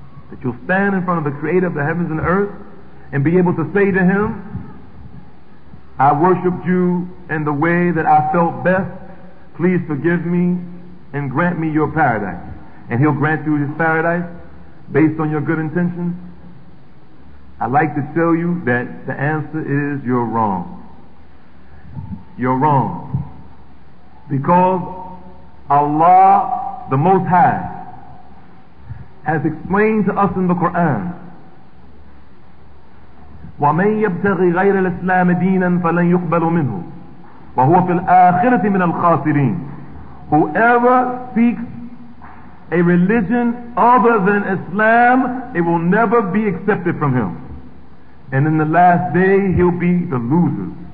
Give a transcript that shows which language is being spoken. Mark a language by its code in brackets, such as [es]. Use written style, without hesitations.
[en] That you'll stand in front of the Creator of the heavens and the earth and be able to say to Him, I worshiped you in the way that I felt best. Please forgive me and grant me your paradise. And He'll grant you His paradise based on your good intentions. I'd like to tell you that the answer is you're wrong. You're wrong. Because Allah, the Most High, has explained to us in the Quran, [ar] وَمَنْ يَبْتَغِ غَيْرَ الْإِسْلَامِ دِينًا فَلَنْ يُقْبَلُ مِنْهُ وَهُوَ فِي الْآخِرَةِ مِنَ الْخَاسِرِينَ. [en] Whoever seeks a religion other than Islam, it will never be accepted from him. And in the last day, he'll be the loser.